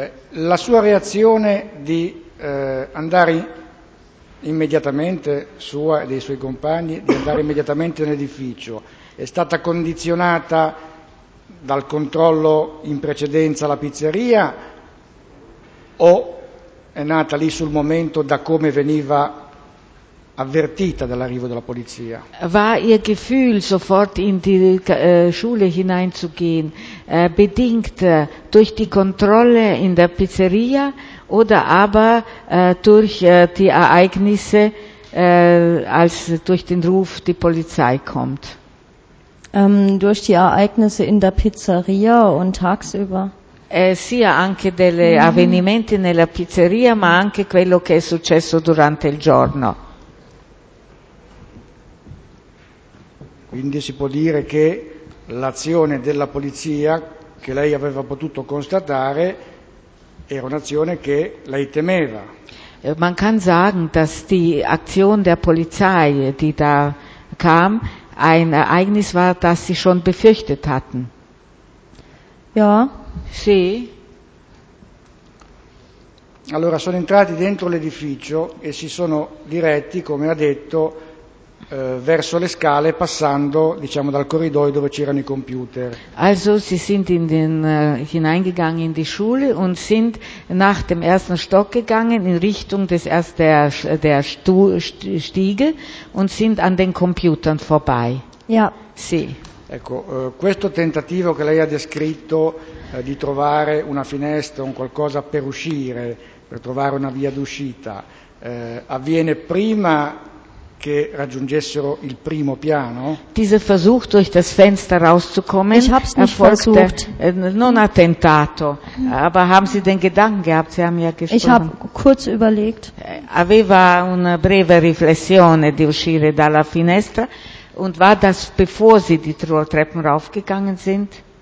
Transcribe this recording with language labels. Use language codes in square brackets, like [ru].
[it] La sua reazione di andare immediatamente, sua e dei suoi compagni, di andare immediatamente nell'edificio, è stata condizionata dal controllo in precedenza alla pizzeria o è nata lì sul momento da come veniva avvertita dall'arrivo della polizia? [de] War ihr Gefühl, sofort in die Schule hineinzugehen, bedingt durch die Kontrolle in der Pizzeria oder aber durch die Ereignisse, als durch den Ruf die Polizei kommt. Durch die Ereignisse in der Pizzeria und tagsüber? [it] Sia anche degli avvenimenti nella pizzeria, ma anche quello che è successo durante il giorno. Quindi si può dire che l'azione della polizia, che lei aveva potuto constatare, era un'azione che lei temeva. [de] Man kann sagen, dass die Aktion der Polizei, die da kam, ein Ereignis war, das sie schon befürchtet hatten. Ja. [it] Sì. Allora sono entrati dentro l'edificio e si sono diretti, come ha detto, verso le scale, passando, diciamo, dal corridoio dove c'erano i computer. [de] Also sie sind in den hineingegangen in die Schule und sind nach dem ersten Stock gegangen in Richtung des Stiege und sind an den Computern vorbei. Ja. [it] Sì. Ecco, questo tentativo che lei ha descritto di trovare una finestra, un qualcosa per uscire, per trovare una via d'uscita, avviene prima che raggiungessero il primo piano? [de] Dieser Versuch durch das Fenster rauszukommen, ich hab's nicht versucht. [it] Non ha tentato, [de] aber haben Sie den Gedanken gehabt? Sie haben ja gesprochen. Ich habe kurz überlegt. [it] Aveva una breve riflessione di uscire dalla finestra. [de] Und war das, bevor Sie die Treppen raufgegangen sind?